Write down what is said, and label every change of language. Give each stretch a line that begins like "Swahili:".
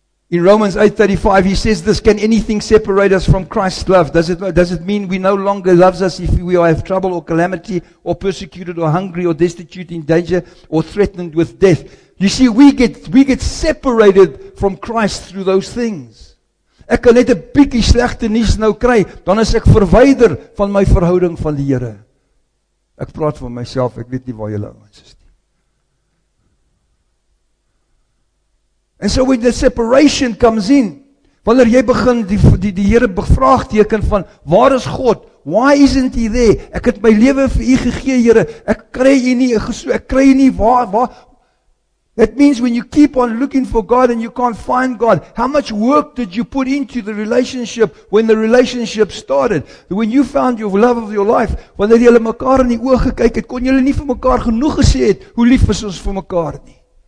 English: In Romans 8:35, he says this, can anything separate us from Christ's love? Does it mean we no longer loves us if we have trouble or calamity or persecuted or hungry or destitute, in danger or threatened with death? You see, we get separated from Christ through those things.
Afrikaans: Ek kan net 'n bietjie slegte nuus nou kry, dan is ek verwyder van my verhouding van die Here. Ek praat van myself, ek weet nie waar julle ouens is.
English: And so when the separation comes in,
Afrikaans: wanneer jy begin die Here bevraagteken van, waar is God?
English: Why isn't he there?
Afrikaans: Ek het my lewe vir u gegee, Here. Ek kry nie waar.
English: That means when you keep on looking for God and you can't find God, how much work did you put into the relationship when the relationship started? When you found your love of your life,
Afrikaans: wanneer julle mekaar in die oë gekyk het, kon julle nie vir mekaar genoeg gesê het, hoe lief is ons vir mekaar nie.